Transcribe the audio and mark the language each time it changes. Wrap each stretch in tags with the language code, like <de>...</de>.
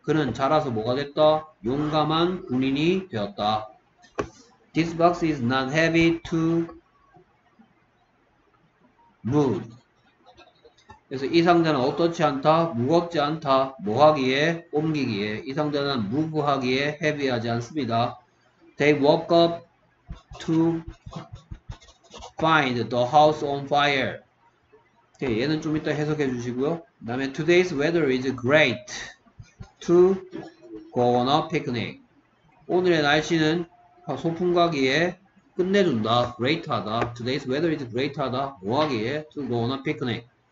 <ko>그는 자라서 뭐가 됐다? 용감한 군인이 되었다.</ko> <en>This box is not heavy to move.</en> <ko>그래서 이 상자는 어떻지 않다? 무겁지 않다. 뭐 하기에? 옮기기에. 이 상자는 move 하기에 헤비하지 않습니다.</ko> <en>They woke up to find the house on fire.</en> <ko>얘는 좀 이따 해석해 주시고요. 그 다음에</ko> <en>Today's weather is great to go on a picnic.</en> <ko>오늘의 날씨는 소풍 가기에 끝내준다.</ko> <en>Great 하다. Today's weather is great 하다.</en> <ko>뭐 하기에?</ko> <en>To go on a picnic.</en>